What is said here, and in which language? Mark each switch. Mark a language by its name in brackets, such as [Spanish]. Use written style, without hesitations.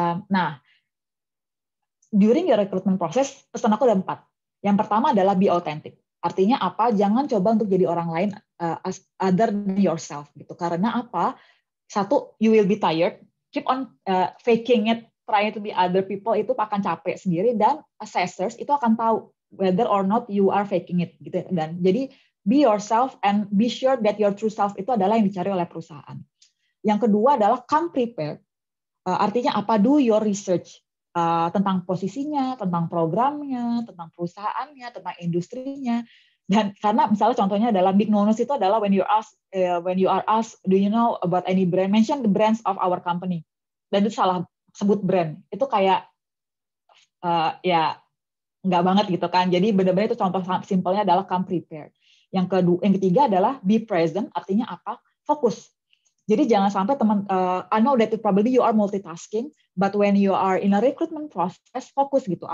[Indonesian] Nah, during your recruitment process, pesan aku ada 4. Yang pertama adalah [English] be authentic. [Indonesian] Artinya apa? Jangan coba untuk jadi orang lain [English] other than yourself [Indonesian] gitu. Karena apa? [English] Satu, you will be tired. Keep on faking it, trying to be other people, [Indonesian] itu akan capek sendiri, [English] dan assessors [Indonesian] itu akan tahu [English] whether or not you are faking it gitu. [Indonesian] Dan jadi [English] be yourself and be sure that your true self [Indonesian] itu adalah yang dicari oleh perusahaan. Yang kedua adalah [English] come prepared. [Indonesian] Artinya apa? [English] Do your research [Indonesian] tentang posisinya, tentang programnya, tentang perusahaannya, tentang industrinya. Dan karena misalnya contohnya adalah big no-no itu adalah [English] when you are asked, do you know about any brand? Mention the brands of our company. [Indonesian] Dan itu salah sebut brand. Itu kayak ya enggak banget gitu kan. Jadi benar-benar itu contoh simpelnya adalah [English] come prepared. [Indonesian] Yang ketiga adalah [English] be present, [Indonesian] artinya apa? Fokus. Jadi jangan sampai teman, [English] I know that probably you are multitasking, but when you are in a recruitment process, fokus gitu.